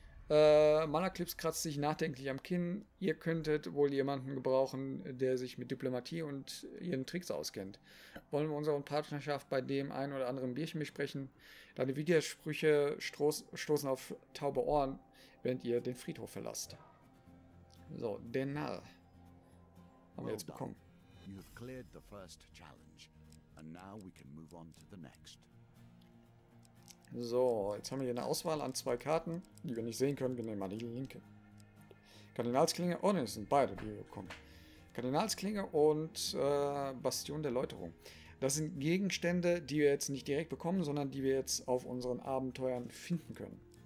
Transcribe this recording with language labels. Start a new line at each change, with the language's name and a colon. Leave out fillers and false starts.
German: Malaclips kratzt sich nachdenklich am Kinn. Ihr könntet wohl jemanden gebrauchen, der sich mit Diplomatie und ihren Tricks auskennt. Wollen wir unsere Partnerschaft bei dem einen oder anderen Bierchen besprechen? Deine Widersprüche stoßen auf taube Ohren, während ihr den Friedhof verlasst. So, den Narr. Haben wir jetzt bekommen.
English: You have cleared the first challenge, and now we can move on to the next.
German: So, jetzt haben wir hier eine Auswahl an zwei Karten, die wir nicht sehen können. Wir nehmen mal die linke. Kardinalsklinge, oh ne, es sind beide, die wir bekommen. Kardinalsklinge und Bastion der Läuterung. Das sind Gegenstände, die wir jetzt nicht direkt bekommen, sondern die wir jetzt auf unseren Abenteuern finden können.